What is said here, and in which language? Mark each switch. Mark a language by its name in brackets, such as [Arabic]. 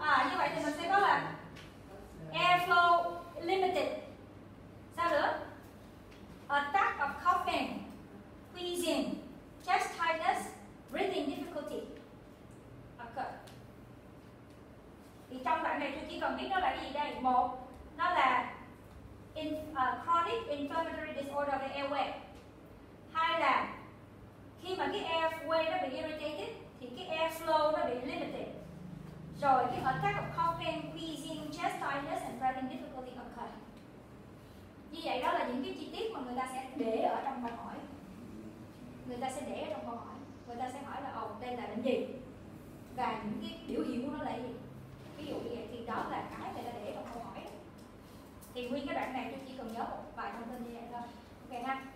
[Vietnamese] Như vậy thì mình sẽ có là airflow limited. Sao nữa? [English] Attack of coughing, wheezing, chest tightness, breathing difficulty occur. [Vietnamese] Thì trong đoạn này tôi chỉ cần biết nó là cái gì đây. Một, nó là [English] chronic inflammatory disorder of the airway. [Vietnamese] Hai là khi mà cái airway nó bị irritated thì cái airflow nó bị limited. Rồi cái [English] attack of coughing, wheezing, chest tightness and breathing difficulty occur. [Vietnamese] Như vậy đó là những cái chi tiết mà người ta sẽ để ở trong câu hỏi. Người ta sẽ để ở trong câu hỏi. Người ta sẽ hỏi là đây là bệnh gì và những cái biểu hiện của nó là gì. Ví dụ như vậy thì đó là cái người ta để trong câu hỏi. Thì nguyên cái đoạn này tôi chỉ cần nhớ một vài thông tin như vậy thôi. Ok ha.